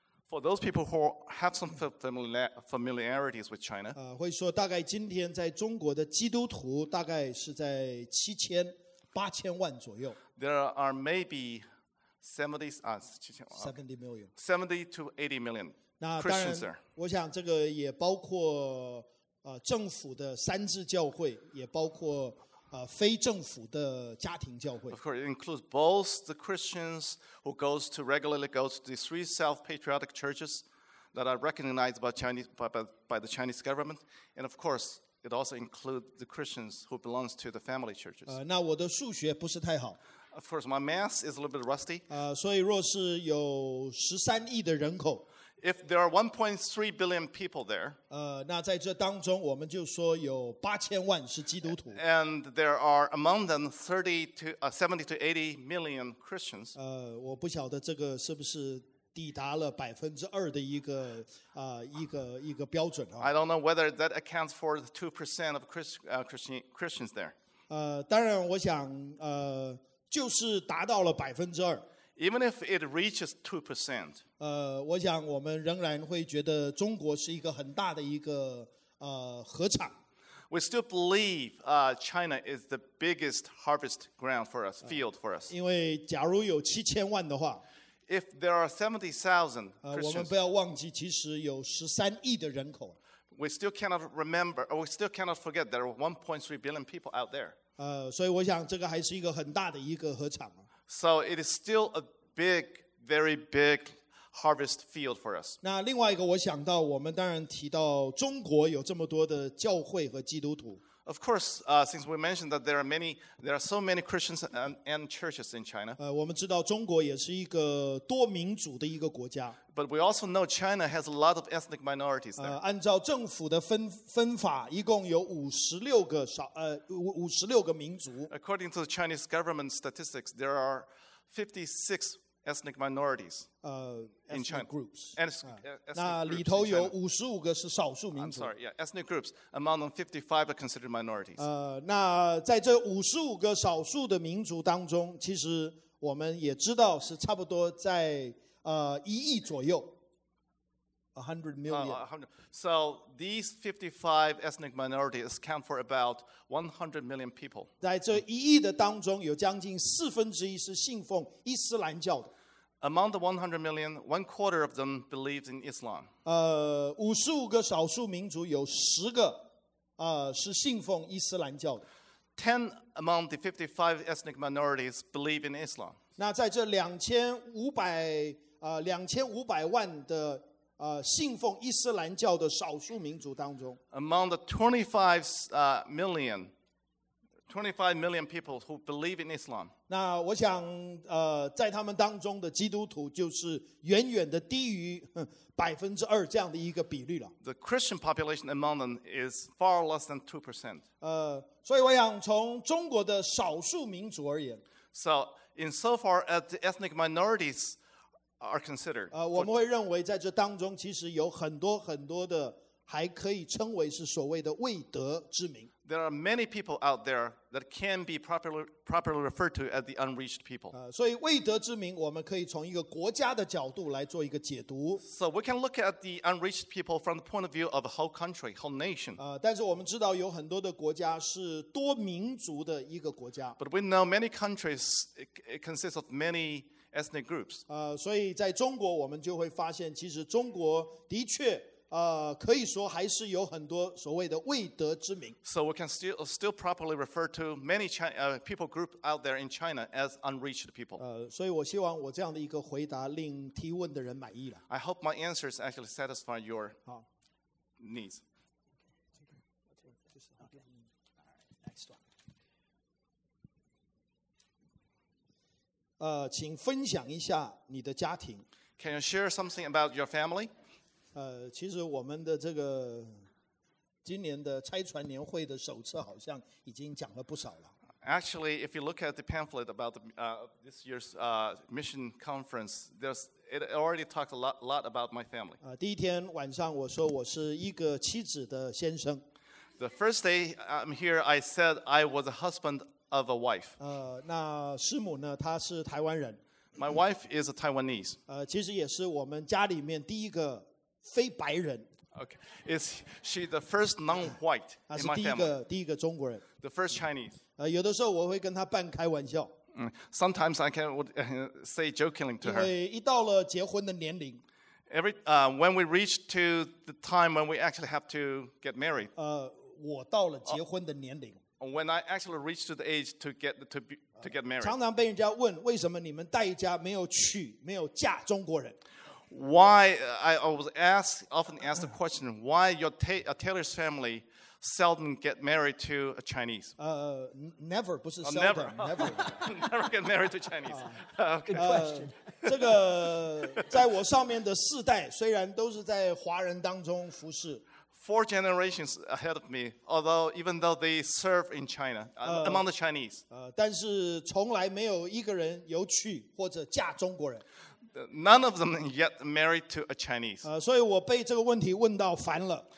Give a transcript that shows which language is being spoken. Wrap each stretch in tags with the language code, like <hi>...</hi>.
<en>，For those people who have some familiarities with China，</en> <zh>会说大概今天在中国的基督徒大概是在7000-8000万左右。</zh> <en>There are maybe 70 to 80 million Christians there.</en> <zh>我想这个也包括政府的三自教会，也包括非政府的家庭教会。</zh> <en>Of course, it includes both the Christians who regularly goes to the three South Patriotic churches that are recognized by the Chinese government, and of course, it also includes the Christians who belongs to the family churches.</en> <zh>那我的数学不是太好。</zh> <en>Of course, my math is a little bit rusty.</en> <zh>所以若是有十三亿的人口</zh> <en>If there are 1.3 billion people there,</en> <zh>那在这当中我们就说有八千万是基督徒。</zh> <en>And there are among them 70 to 80 million Christians.</en> <zh>我不晓得这个是不是抵达了2%的一个标准啊。</zh> <en>I don't know whether that accounts for the 2% of Christians there.</en> <zh>当然我想就是达到了2%。</zh> <en>Even if it reaches 2%,</en> <zh>我想我们仍然会觉得中国是一个很大的一个禾场。</zh> <en>We still believe China is the biggest harvest ground for us, field for us.</en> <zh>因为假如有七千万的话</zh> <en>，If there are 70,000 Christians,</en> <zh>我们不要忘记，其实有13亿的人口。</zh> <en>We still cannot remember, or we still cannot forget there are 1.3 billion people out there.</en> <zh>所以我想这个还是一个很大的一个禾场。</zh> <en>So it is still a big, very big harvest field for us.</en> <zh>那另外一个我想到我们当然提到中国有这么多的教会和基督徒。</zh> <en>Of course, since we mentioned that there are so many Christians and churches in China.</en> <zh>我们知道中国也是一个多民族的一个国家。</zh> <en>But we also know China has a lot of ethnic minorities there.</en> <zh>按照政府的分法，一共有56个民族。</zh> <en>According to the Chinese government statistics, there are 56 ethnic minorities in China. Groups. Ethnic</en> <zh>那里头有55个是少数民族。</zh> <en>I'm sorry, yeah, ethnic groups. Among them, 55 are considered minorities.</en> <zh>那在这55个少数的民族当中，其实我们也知道是差不多在1亿左右 ，</zh> <en>100 million. So these 55 ethnic minorities account for about 100 million people.</en> <zh>在这一亿的当中，有将近四分之一是信奉伊斯兰教的。</zh> <en>Among the 100 million, one quarter of them believes in Islam.</en> <zh>55个少数民族有10个是信奉伊斯兰教的。</zh> <en>10 among the 55 ethnic minorities believe in Islam.</en> <zh>那在这2500万的信奉伊斯兰教的少数民族当中</zh> <en>，Among the 25 million people who believe in Islam，</en> <zh>那我想在他们当中的基督徒就是远远的低于2%这样的一个比率了。</zh> <en>The Christian population among them is far less than 2%.</en> <zh>所以我想从中国的少数民族而言</zh> <en>，So in so far as the ethnic minorities。 Are considered.</en> <zh>我们会认为在这当中其实有很多很多的还可以称为是所谓的未得之民。</zh> <en>There are many people out there that can be properly referred to as the unreached people.</en> <zh>所以未得之民我们可以从一个国家的角度来做一个解读。</zh> <en>So we can look at the unreached people from the point of view of a whole country, whole nation.</en> <zh>但是我们知道有很多的国家是多民族的一个国家。</zh> <en>But we know many countries it consists of many ethnic groups.</en> <zh>所以在中国我们就会发现其实中国的确可以说还是有很多所谓的未得之民。</zh> <en>So we can still properly refer to many people group out there in China as unreached people.</en> <zh>所以我希望我这样的一个回答令提问的人满意了。</zh> <en>I hope my answers actually satisfy your needs. Okay. Okay. Okay. Next one.</en> <zh>请分享一下你的家庭。</zh> <en>Can you share something about your family?</en> <zh>其实我们的这个今年的拆船年会的手册好像已经讲了不少了。</zh> <en>Actually, if you look at the pamphlet about this year's mission conference, it already talks a lot about my family.</en> <zh>第一天晚上我说我是一个妻子的先生。</zh> <en>The first day I'm here, I said I was a husband. Of a wife.</en> <zh>那师母呢？她是台湾人。</zh> <en>My wife is a Taiwanese.</en> <zh>其实也是我们家里面第一个非白人。</zh> <en>Okay, is she the first non-white in my family?</en> <zh>她是第一个中国人。</zh> <en>The first Chinese.</en> <zh>有的时候我会跟她半开玩笑。</zh> <en>Sometimes I can say jokingly to her.</en> <zh>因为一到了结婚的年龄。</zh> <en>When we reach to the time when we actually have to get married.</en> <zh>我到了结婚的年龄。</zh> <en>When I actually reached the age to get married,</en> <zh>常常被人家问为什么你们戴家没有娶没有嫁中国人。</zh> <en>Why I was asked often asked the question why your Taylor's family seldom get married to a Chinese. Never,</en> <zh>不是</zh> <en>seldom, never. Never. Never get married to Chinese. Okay. Good question.</en> <zh>这个在我上面的四代虽然都是在华人当中服侍。</zh> <en>Four generations ahead of me, although even though they serve in China, among the Chinese.</en> <zh>但是从来没有一个人有娶或者嫁中国人。</zh> <en>None of them yet married to a Chinese.</en> <zh>所以我被这个问题问到烦了。</zh>